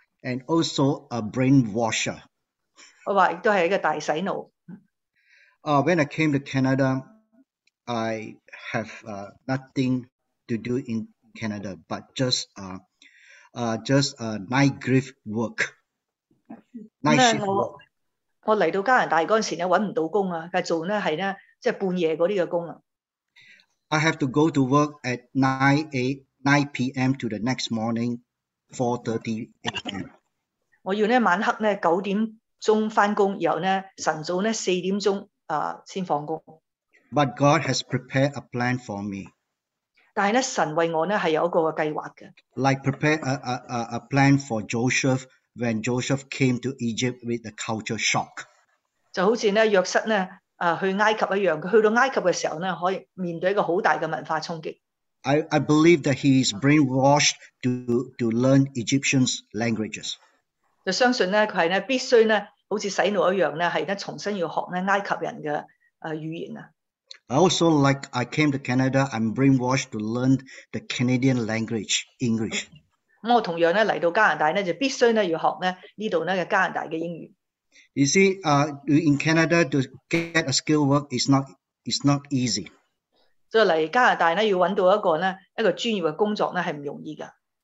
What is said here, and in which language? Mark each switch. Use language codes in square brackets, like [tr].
[en] And also a brainwasher。 [yue] 我话亦都系一个大洗脑。 [en] When I came to Canada, I have nothing to do in Canada but just night grief work. Night shift work. [yue] 我嚟到加拿大嗰阵时咧，搵唔到工啊，嘅做咧系咧。即係半夜嗰啲嘅工啊 [en] ！I have to go to work at 9 p.m. to the next morning 4:30 a.m. [yue] 我要咧晚黑咧九點鐘翻工，然後咧晨早咧四點鐘先放工。 [en] But God has prepared a plan for me. [yue] 但係咧神為我咧係有一個計劃嘅。 [en] Like prepare a plan for Joseph when Joseph came to Egypt with the culture shock. [yue] 就好似咧約瑟咧。去埃及一样，佢去到埃及嘅时候咧，可以面对一个好大嘅文化冲击。 [en] I believe that he is brainwashed to learn Egyptian languages。 [yue] 就相信咧，佢系咧必须咧，好似洗脑一样咧，系咧重新要学咧埃及人嘅语言啊。 [en] I also like I came to Canada, I'm brainwashed to learn the Canadian language, English。 [yue] 咁我同样咧嚟到加拿大咧，就必须咧要学咧呢度咧嘅加拿大嘅英语。 [en] You see, in Canada to get a skilled work is not easy. [yue] 所以嚟加拿大咧，要揾到一个咧一个专业嘅工作咧，系唔容易噶。